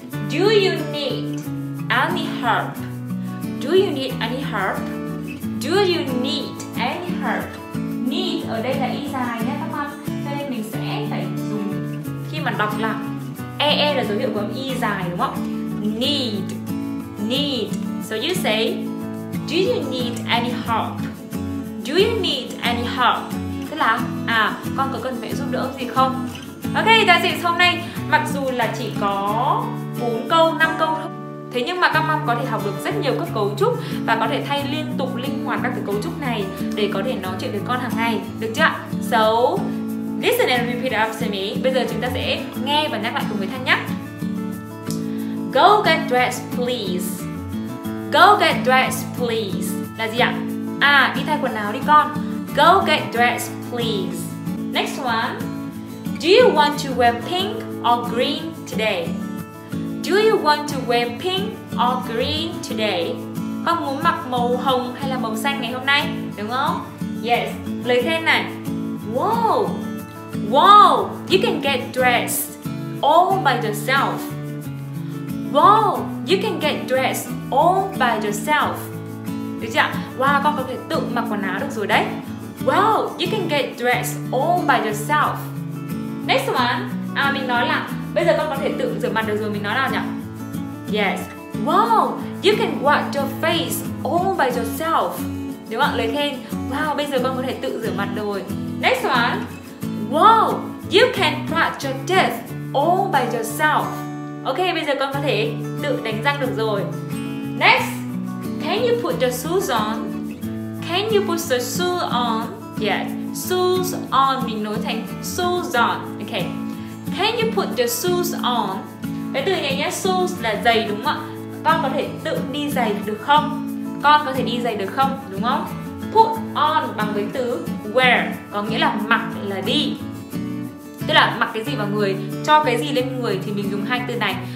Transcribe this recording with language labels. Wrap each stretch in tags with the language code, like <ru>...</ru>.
<en>Do you need any help? Do you need any help? Do you need any help? Need</en> <vi>ở đây là y dài nhé các con. Cho nên mình sẽ phải dùng khi mà đọc là e là dấu hiệu của âm y dài đúng không?</vi> <en>Need. Need. So you say, do you need any help? Do you need any help?</en> <vi>Tức là, à, con có cần mẹ giúp đỡ gì không?</vi> <en>Ok, that's it.</en> <vi>Hôm nay, mặc dù là chỉ có 4 câu, 5 câu thôi, thế nhưng mà các mom có thể học được rất nhiều các cấu trúc và có thể thay liên tục, linh hoạt các cái cấu trúc này để có thể nói chuyện với con hàng ngày. Được chưa?</vi> <en>So, listen and repeat after me.</en> <vi>Bây giờ chúng ta sẽ nghe và nhắc lại cùng với Thanh nhé.</vi> <en>Go get dressed, please. Go get dressed, please.</en> <vi>Là gì ạ? À, đi thay quần áo đi con.</vi> <en>Go get dressed, please. Next one. Do you want to wear pink or green today? Do you want to wear pink or green today?</en> <vi>Con muốn mặc màu hồng hay là màu xanh ngày hôm nay? Đúng không? Yes. Lời khen này. Whoa. Whoa.</vi> <en>You can get dressed all by yourself. Whoa. You can get dressed all by yourself.</en> <vi>Được chưa? Wow, con có thể tự mặc quần áo được rồi đấy.</vi> <en>Wow, you can get dressed all by yourself. Next one.</en> <vi>À, mình nói là bây giờ con có thể tự rửa mặt được rồi. Mình nói nào nhỉ? Yes.</vi> <en>Wow, you can wash your face all by yourself.</en> <vi>Đúng không? Lời khen. Wow, bây giờ con có thể tự rửa mặt rồi.</vi> <en>Next one. Wow, you can brush your teeth all by yourself.</en> <vi>Ok, bây giờ con có thể tự đánh răng được rồi.</vi> <en>Next, can you put the shoes on? Can you put the shoes on? Yes, shoes on</en> <vi>mình nối thành</vi> <en>shoes on. Ok, Can you put the shoes on?</en> <vi>Cái từ này nhé, shoes là giày đúng không ạ? Con có thể tự đi giày được không? Con có thể đi giày được không? Đúng không? Put on bằng cái từ wear, có nghĩa là mặc là đi. Tức là mặc cái gì vào người, cho cái gì lên người thì mình dùng hai từ này.</vi>